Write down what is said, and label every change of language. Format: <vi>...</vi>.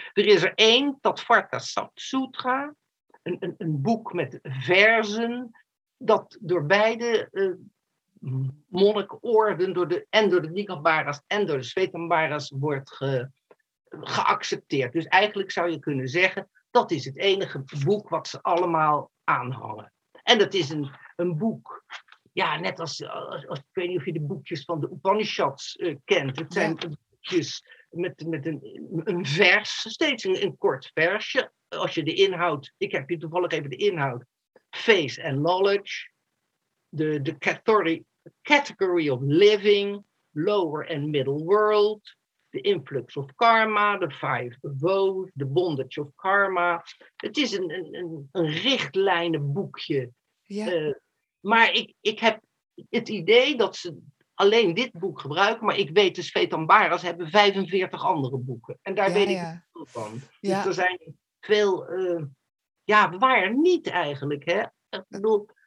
<nl>Er is er één, Tathagata Sutra, een boek met verzen, dat door beide monnikorden, door de Nikambaras en door de Svetambaras wordt geaccepteerd. Dus eigenlijk zou je kunnen zeggen, dat is het enige boek wat ze allemaal aanhangen. En dat is een boek, ja, net als ik weet niet of je de boekjes van de Upanishads kent. Het zijn boekjes... Met een vers, steeds een kort versje. Als je de inhoud, ik heb hier toevallig even de inhoud.</nl> <en>Faith and knowledge, the category of living, lower and middle world, the influx of karma, the five vows, the bondage of karma.</en> <nl>Het is een richtlijnenboekje. Ja. Maar ik heb het idee dat ze... alleen dit boek gebruiken, maar ik weet de Svetambaras hebben 45 andere boeken. En daar weet ik veel van. Ja. Dus er zijn veel... waar niet eigenlijk, hè? Ik bedoel...</nl>